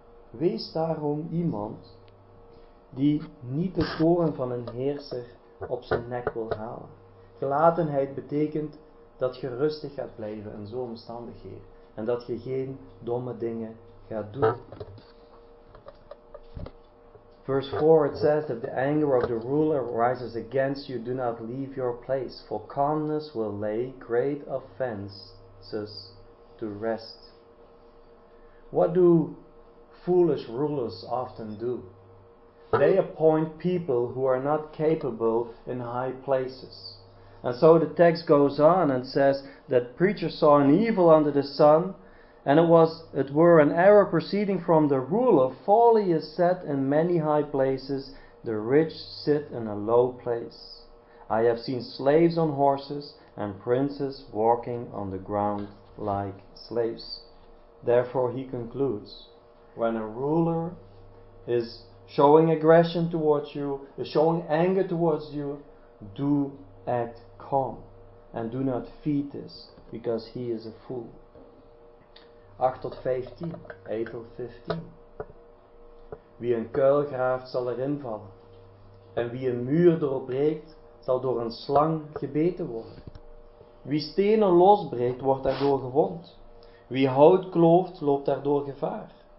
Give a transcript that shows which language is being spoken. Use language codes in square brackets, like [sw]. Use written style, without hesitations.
[nl] Wees daarom iemand die niet de toren van een heerser op zijn nek wil halen. Gelatenheid betekent dat je rustig gaat blijven in zo'n omstandigheden. En dat je geen domme dingen gaat doen. [en] Verse 4, it says, if the anger of the ruler rises against you, do not leave your place. For calmness will lay great offenses to rest. What do foolish rulers often do? They appoint people who are not capable in high places. And so the text goes on and says that preacher saw an evil under the sun, and it were an error proceeding from the ruler. Folly is set in many high places, the rich sit in a low place. I have seen slaves on horses and princes walking on the ground like slaves. Therefore he concludes, when a ruler is showing aggression towards you, is showing anger towards you, do act calm and do not feed this, because he is a fool. [nl] 8 tot 15, 8 tot 15. Wie een kuil graaft zal erin vallen, en wie een muur doorbreekt zal door een slang gebeten worden. Wie stenen losbreekt wordt daardoor gewond, wie hout klooft loopt daardoor gevaar.